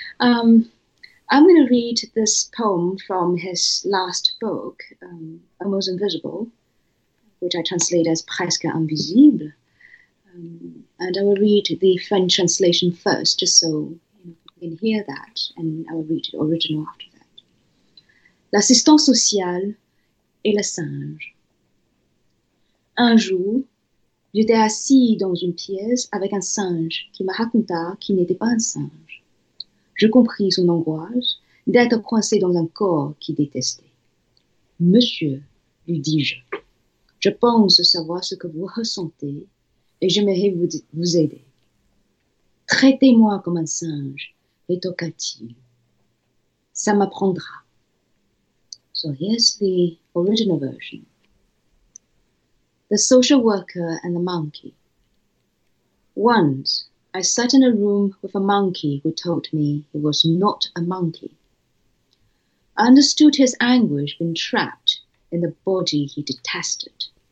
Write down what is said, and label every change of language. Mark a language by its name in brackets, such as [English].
[English] I'm going to read this poem from his last book, Almost Invisible, which I translate as Presque Invisible. And I will read the French translation first, just so you can hear that, and I will read the original after that. [French] L'assistant social et le singe. Un jour, j'étais assis dans une pièce avec un singe qui me raconta qu'il n'était pas un singe. Je compris son angoisse d'être coincé dans un corps qu'il détestait. « Monsieur, lui dis-je, je pense savoir ce que vous ressentez et j'aimerais vous aider. Traitez-moi comme un singe, rétorqua-t-il. Ça m'apprendra. » [English] So here's the original version. The social worker and the monkey. Once, I sat in a room with a monkey who told me he was not a monkey. I understood his anguish being trapped in the body he detested.